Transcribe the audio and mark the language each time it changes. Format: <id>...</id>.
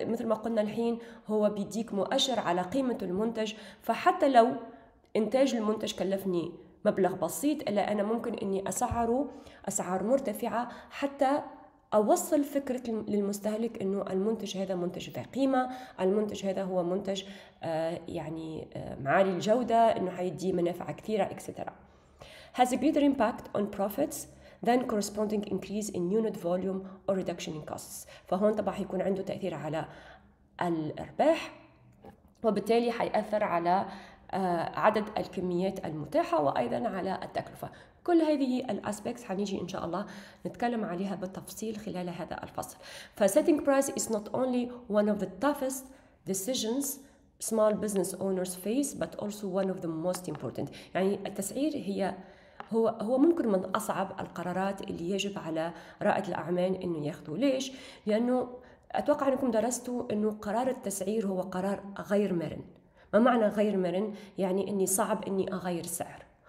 <ar>مثل ما قلنا الحين هو بيديك مؤشر على قيمة المنتج، فحتى لو إنتاج المنتج كلفني مبلغ بسيط إلا أنا ممكن أني أسعره أسعار مرتفعة حتى أوصل فكرة للمستهلك أنه المنتج هذا منتج ذا قيمة، المنتج هذا هو منتج يعني عالي الجودة، أنه حيدي منافع كثيرة etc.</ar> <en>has a greater impact on profits than corresponding increase in unit volume or reduction in costs.</en> <ar>فهون طبعا حيكون عنده تأثير على الأرباح، وبالتالي حيأثر على عدد الكميات المتاحة وأيضا على التكلفة. كل هذه الأسبكتس حنيجي إن شاء الله نتكلم عليها بالتفصيل خلال هذا الفصل.</ar> <en>فsetting price is not only one of the toughest decisions small business owners face but also one of the most important.</en> <ar>يعني التسعير هو ممكن من أصعب القرارات اللي يجب على رائد الأعمال إنه ياخذه. ليش؟ لأنه أتوقع أنكم درستوا إنه قرار التسعير هو قرار غير مرن. ما معنى غير مرن؟ يعني إني صعب إني أغير السعر.</ar>